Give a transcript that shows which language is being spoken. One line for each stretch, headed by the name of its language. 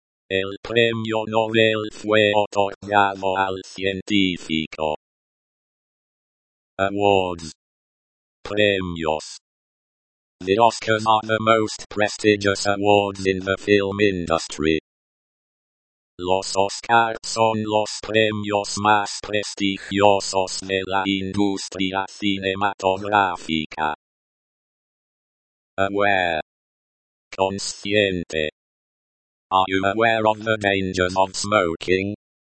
Spanish: El premio Nobel fue otorgado al científico. Awards. Premios.
English: The Oscars are the most prestigious awards in the film industry.
Spanish: Los Oscars son los premios más prestigiosos de la industria cinematográfica.
English: Aware. Consciente. Are you aware of the dangers of smoking?